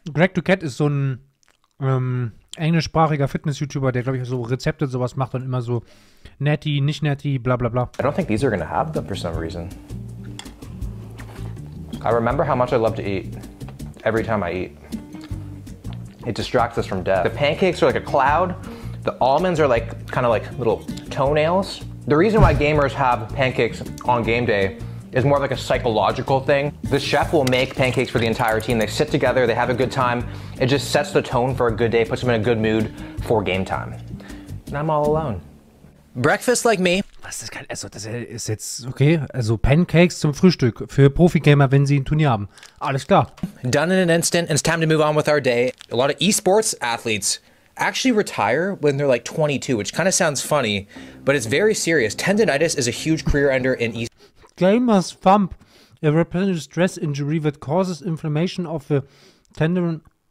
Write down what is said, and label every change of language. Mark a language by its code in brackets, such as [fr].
[de] Greg Duquette ist so ein englischsprachiger Fitness-YouTuber, der, glaube ich, so Rezepte und sowas macht und immer so netty, nicht netty, bla bla bla. [en] I don't think these are gonna have them for some reason. I remember how much I love to eat every time I eat. It distracts us from death. The pancakes are like a cloud. The almonds are like kind of like little toenails. The reason why gamers have pancakes on game day is more of like a psychological thing. The chef will make pancakes for the entire team. They sit together, they have a good time. It just sets the tone for a good day, puts them in a good mood for game time. And I'm all alone. Breakfast like me. [de] Was ist das? Also das ist jetzt okay. Also Pancakes zum Frühstück für Profi-Gamer, wenn sie ein Turnier haben. Alles klar. [en] Done in an instant. It's time to move on with our day. A lot of esports athletes actually retire when they're like 22, which kind of sounds funny, but it's very serious. Tendonitis is a huge career ender in esports. Gamers thump. A repetitive stress injury that causes inflammation of the tendon.